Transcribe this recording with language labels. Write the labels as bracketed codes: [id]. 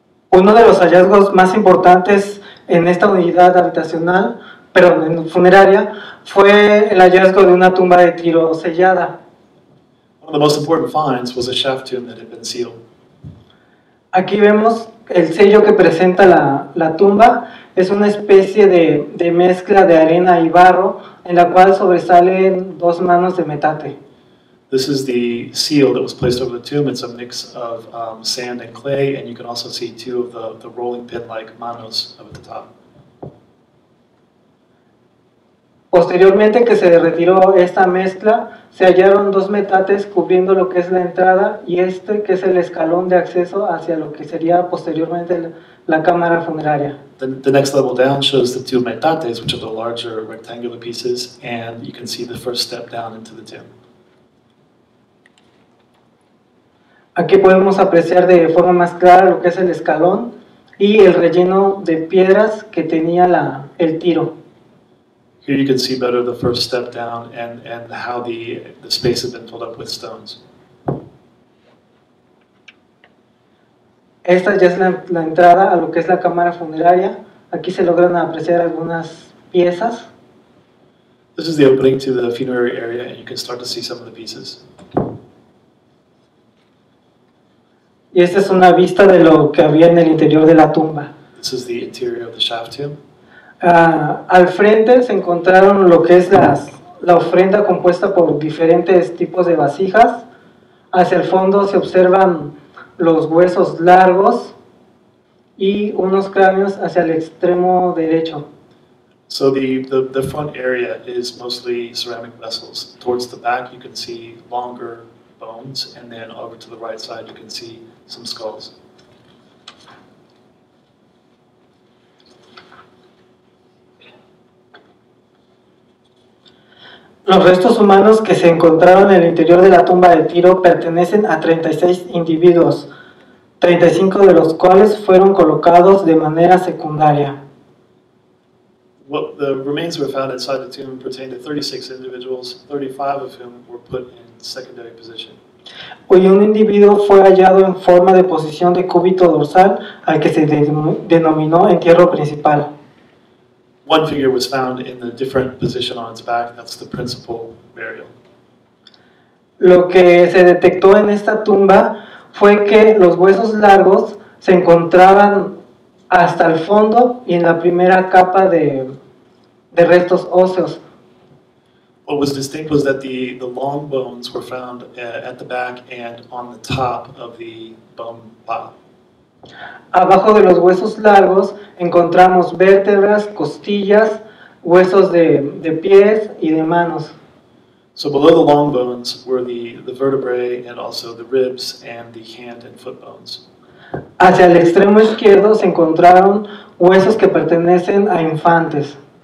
[es] Uno de los hallazgos más importantes en esta unidad habitacional, perdón, en funeraria, fue el hallazgo de una tumba de tiro sellada. [en] One of the most important finds was a shaft tomb that had been sealed. [es] Aquí vemos el sello que presenta la tumba. Es una especie de mezcla de arena y barro en la cual sobresalen dos manos de metate. [en] This is the seal that was placed over the tomb. It's a mix of sand and clay, and you can also see two of the rolling pin-like manos up at the top. [es] Posteriormente que se retiró esta mezcla, se hallaron dos metates cubriendo lo que es la entrada y este que es el escalón de acceso hacia lo que sería posteriormente la cámara funeraria. [en] The next level down shows the two metates, which are the larger rectangular pieces, and you can see the first step down into the tomb. [es] Aquí podemos apreciar de forma más clara lo que es el escalón y el relleno de piedras que tenía el tiro. [en] Here you can see better the first step down and how the space has been filled up with stones. [es] Esta ya es la entrada a lo que es la cámara funeraria. Aquí se logran apreciar algunas piezas. [en] This is the opening to the funerary area and you can start to see some of the pieces. [es] Y esta es una vista de lo que había en el interior de la tumba. [en] This is the interior of the shaft tomb. [es] Al frente se encontraron lo que es la ofrenda compuesta por diferentes tipos de vasijas. Hacia el fondo se observan los huesos largos y unos cráneos hacia el extremo derecho. [en] So the front area is mostly ceramic vessels. Towards the back you can see longer bones, and then over to the right side you can see some skulls. [es] Los restos humanos que se encontraron en el interior de la tumba de tiro pertenecen a 36 individuos, 35 de los cuales fueron colocados de manera secundaria. [en] What the remains were found inside the tomb pertain to 36 individuals, 35 of whom were put in secondary position. [es] Hoy un individuo fue hallado en forma de posición de cúbito dorsal al que se denominó entierro principal. [en] One figure was found in the different position on its back. That's the principal burial. [es] Lo que se detectó en esta tumba fue que los huesos largos se encontraban hasta el fondo y en la primera capa de restos óseos. [en] What was distinct was that the long bones were found at the back and on the top of the bone pile. [es] Abajo de los huesos largos encontramos vértebras, costillas, huesos de pies y de manos. [en] So below the long bones were the vertebrae and also the ribs and the hand and foot bones. [es] Hacia el extremo izquierdo se encontraron huesos que pertenecen a infantes.